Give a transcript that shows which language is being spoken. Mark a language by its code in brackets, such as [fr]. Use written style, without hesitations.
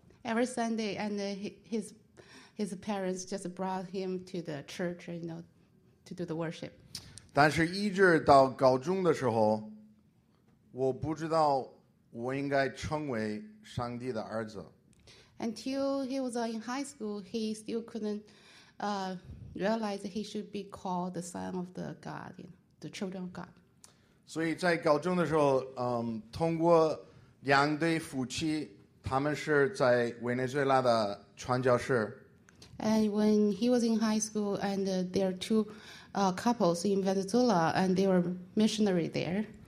[en] Every Sunday, and his parents just brought him to the church, you know, to do the worship. [zh] 但是一直到高中的时候，我不知道我应该称为上帝的儿子。Until [en] he was in high school, he still couldn't realize he should be called the son of the God, you know, the children of God. [zh] 所以在高中的时候，通过两对夫妻，他们是在委内瑞拉的传教士。 [en] And when he was in high school, and there are two couples in Venezuela, and they were missionary there.